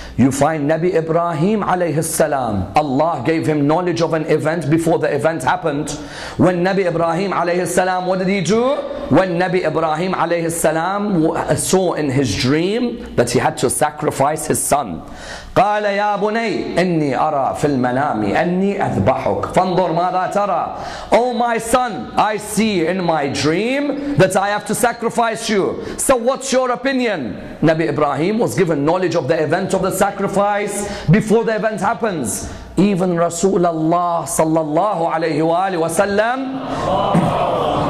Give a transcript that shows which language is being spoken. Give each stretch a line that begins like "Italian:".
English: You find Nabi Ibrahim alayhi salam, Allah gave him knowledge of an event before the event happened. When Nabi Ibrahim alayhi salam, what did he do? When Nabi Ibrahim alayhi salam saw in his dream that he had to sacrifice his son.
Arabic: قال يا بني إني أرى في المنام أني أذبحك فانظر ماذا ترى.
English: Oh my son, I see in my dream that I have to sacrifice you. So what's your opinion? Nabi Ibrahim was given knowledge of the event of the sacrifice before the event happens. Even Rasulullah sallallahu alayhi wa alihi wa sallam.